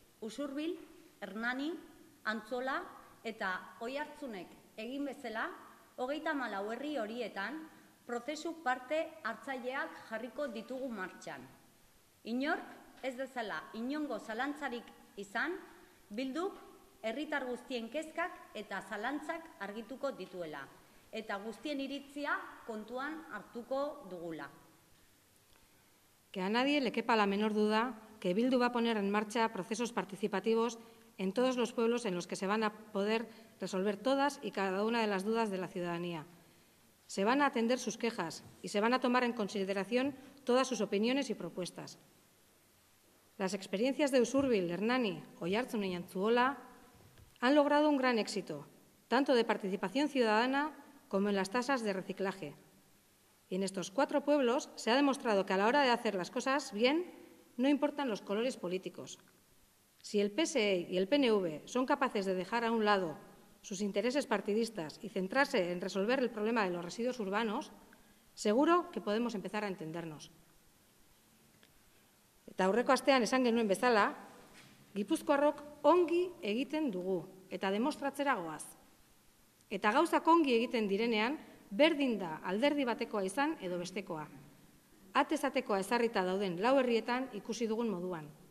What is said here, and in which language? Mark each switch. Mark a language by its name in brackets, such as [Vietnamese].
[Basque] Usurbil, Hernani, Antzola eta Oiartzunek egin bezala 34 herri horietan prozesu parte hartzaileak jarriko ditugu martxan. Inork ez dezala inongo zalantzarik izan, Bilduk herritar guztien kezkak eta zalantzak argituko dituela eta guztien iritzia kontuan hartuko dugula. [Spanish] Que a nadie le quepa la menor duda que Bildu va a poner en marcha procesos participativos en todos los pueblos en los que se van a poder resolver todas y cada una de las dudas de la ciudadanía. Se van a atender sus quejas y se van a tomar en consideración todas sus opiniones y propuestas. Las experiencias de Usurbil, Hernani, Oiartzun y Antzuola han logrado un gran éxito, tanto de participación ciudadana como en las tasas de reciclaje. Y en estos cuatro pueblos se ha demostrado que a la hora de hacer las cosas bien, no importan los colores políticos. Si el PSE y el PNV son capaces de dejar a un lado sus intereses partidistas y centrarse en resolver el problema de los residuos urbanos, seguro que podemos empezar a entendernos. [Basque] Eta aurreko astean esan genuen bezala, Gipuzkoarrok ongi egiten dugu eta demostratzera goaz. Eta gauzak ongi egiten direnean, berdin da alderdi batekoa izan edo bestekoa. Atez atekoa ezarrita dauden lau herrietan ikusi dugun moduan.